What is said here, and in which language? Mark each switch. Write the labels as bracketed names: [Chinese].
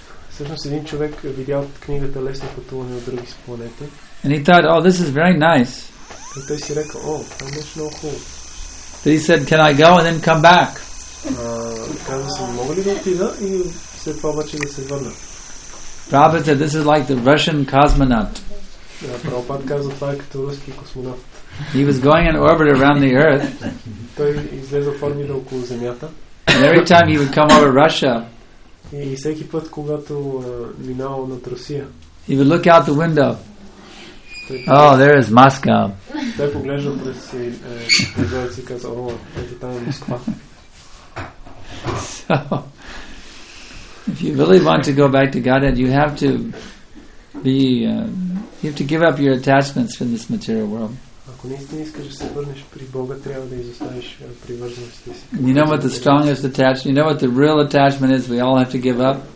[Bulgarian] Всъщност един човек видял книгата Лесно пътуване от други планети. [English] And he thought, oh, this is very nice. [Bulgarian] И той си рекал, о, това е много хубаво. [English] But he said, can I go and then come back? [Bulgarian] Казва си, мога ли да отида и след това обаче да се върна. [English] Prabhupada said, this is like the Russian cosmonaut. [Bulgarian] Прабхупада казва, това е като руски космонавт. [English] He was going in orbit around the earth. [Bulgarian] Той излезе в орбита около Земята. [English] And every time he would come over Russia, [Bulgarian] и всеки път, когато минавал над Русия, [English] he would look out the window. Oh, there is Moscow. [Bulgarian] Той поглеждал през прозореца и казал, о, ето там е Москва. [English] So, if you really want to go back to Godhead, you have to be you have to give up your attachments from this material world. You know what the strongest attachment, you know what the real attachment is we all have to give up?